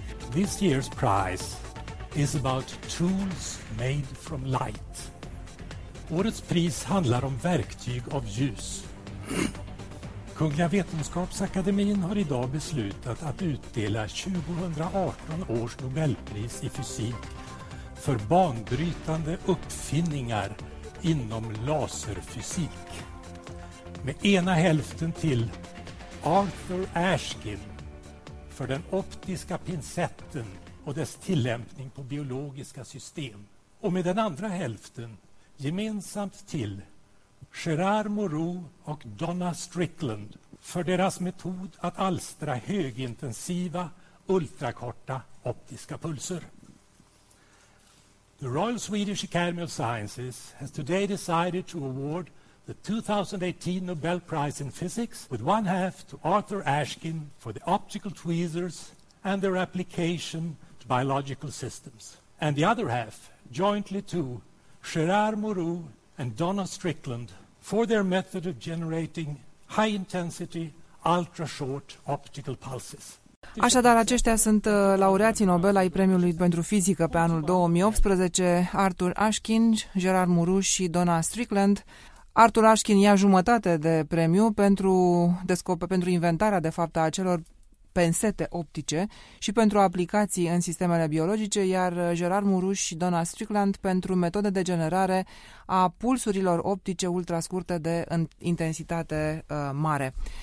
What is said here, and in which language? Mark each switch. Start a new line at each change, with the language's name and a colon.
English: This year's prize is about tools made from light.
Swedish: Årets pris handlar om verktyg av ljus. Kungliga Vetenskapsakademien har idag beslutat att utdela 2018 års Nobelpris i fysik för banbrytande uppfinningar inom laserfysik. Med ena hälften till Arthur Ashkin för den optiska pincetten och dess tillämpning på biologiska system. Och med den andra hälften gemensamt till Gerard Moreau och Donna Strickland för deras metod att alstra högintensiva, ultrakorta optiska pulser.
English: The Royal Swedish Academy of Sciences has today decided to award the 2018 Nobel Prize in Physics with one half to Arthur Ashkin for the optical tweezers and their application to biological systems. And the other half, jointly to Gerard Moreau and Donna Strickland for their method of generating high-intensity, ultra-short optical pulses.
Romanian: Așadar, aceștia sunt laureații Nobel ai Premiului pentru Fizică pe anul 2018, Arthur Ashkin, Gerard Moreau și Donna Strickland. Arthur Ashkin ia jumătate de premiu pentru inventarea, de fapt, a acelor pensete optice și pentru aplicații în sistemele biologice, iar Gerard Moreau și Donna Strickland pentru metode de generare a pulsurilor optice ultrascurte de intensitate mare.